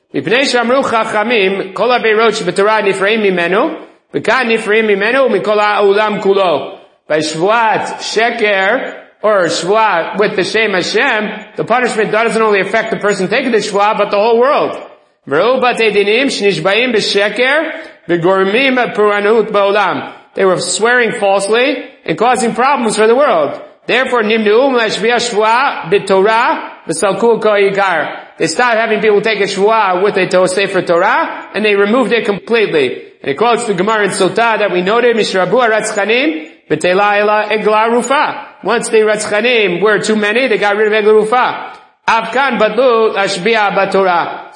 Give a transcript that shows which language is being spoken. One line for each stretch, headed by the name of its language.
Hebrew: מפני שאמרו חכמים כל הבירות שבתורה נפרעים ממנו וכאן נפרעים ממנו ומכל העולם כולו.
English: בשבועת שקר or שבועה with the shame Hashem, the punishment doesn't only affect the person taking the שבועה but the whole world.
Hebrew: וראו בתי דינים שנשבעים בשקר וגורמים פורענות בעולם.
English: They were swearing falsely and causing problems for the world.
Hebrew: Therefore נמנעו מלהשביע שבועה בתורה וסלקו כל עיקר.
English: They stopped having people take a shvua with a sefer Torah, and they removed it completely. And he quotes the Gemara in Sota that we noted,
Hebrew: Mishrabu haratzchanim, b'teila ela egla rufa.
English: Once the ratzchanim were too many, they got rid of egla rufa.
Hebrew: Afkan batlu ashbia batorah.